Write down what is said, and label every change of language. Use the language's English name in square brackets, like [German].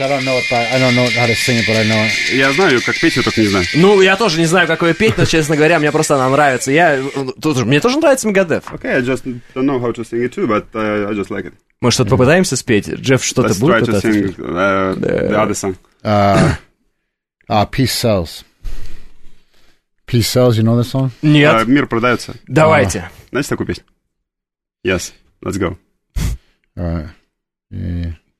[English] I don't know it, but I don't know how to sing it, but I know it. [Russian] Я знаю, как петь, я только не знаю. Ну, я тоже не знаю, как ее петь, но, честно говоря, мне просто она нравится. Я тут, мне тоже нравится Megadeth. [English] Okay, I just don't know how to sing it too, but I just like it. [Russian] Мы что-то попытаемся спеть? Джефф что-то [English] Let's [Russian] будет [English] try to sing the other song. Peace sells. Peace sells, you know this song? [Russian] Нет. Мир продается. Давайте. Знаете такую песню? [English] Yes. Let's go.